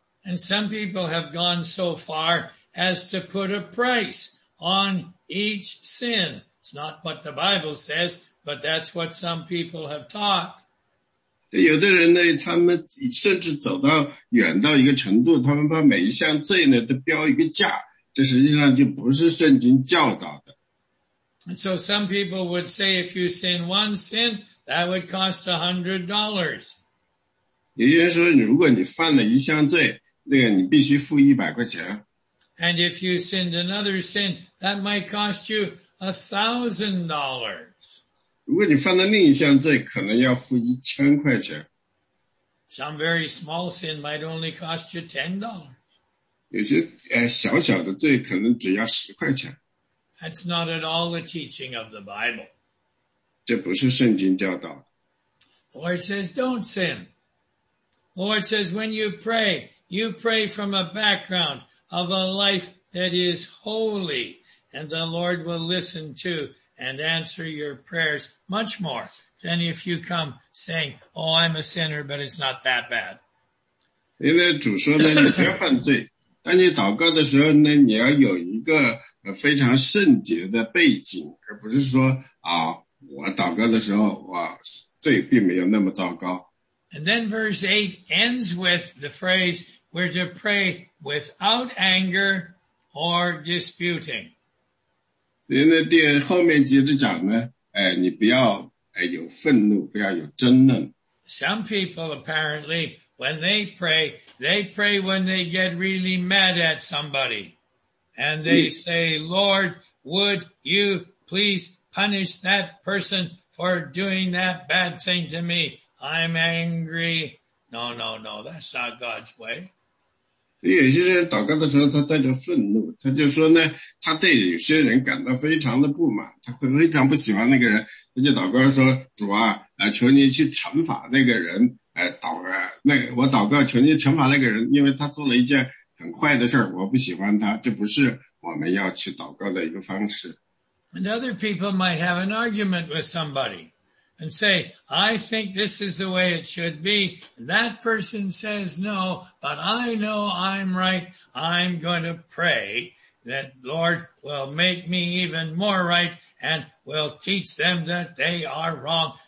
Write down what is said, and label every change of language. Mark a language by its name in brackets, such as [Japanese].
[English] And some people have gone so far as to put a price on each sin. It's not what the Bible says, but that's what some people have taught. [Chinese] 有的人呢,他们甚至走到远到一个程度,他们把每一项罪呢,都标一个价。 [English] So some people would say if you sin one sin, that would cost $100. [Chinese] 有些人说,如果你犯了一项罪,那个你必须付100块钱。 [English] And if you sinned another sin, that might cost you $1,000. [Chinese] 如果你犯了另一项罪,可能要付1000块钱。 [English] Some very small sin might only cost you $10. [Chinese] 有些小小的罪可能只要10块钱。 [English] That's not at all the teaching of the Bible. [Chinese] 这不是圣经教导。 [English] Lord says, don't sin. Lord says, when you pray from a background of a life that is holy, and the Lord will listen to and answer your prayers much more than if you come saying, oh, I'm a sinner, but it's not that bad. [Chinese] 因为主说呢,你别犯罪。当你祷告的时候呢,你要有一个非常圣洁的背景,而不是说,我祷告的时候,罪并没有那么糟糕。 [English] And then verse 8 ends with the phrase, we're to pray without anger or disputing. [Chinese] 后面接着讲呢, 你不要有愤怒，不要有争论。 [English] Some people apparently, when they pray when they get really mad at somebody. And they say, Lord, would you please punish that person for doing that bad thing to me? I'm angry. No, no, no, that's not God's way. [Chinese] 有些人祷告的时候他带着愤怒，他就说呢，他对有些人感到非常的不满，他会非常不喜欢那个人，他就祷告说，主啊，求你去惩罚那个人，我祷告求你惩罚那个人，因为他做了一件很坏的事，我不喜欢他，这不是我们要去祷告的一个方式。 [English] And other people might have an argument with somebody and say, I think this is the way it should be. That person says no, but I know I'm right. I'm going to pray that Lord will make me even more right and will teach them that they are wrong.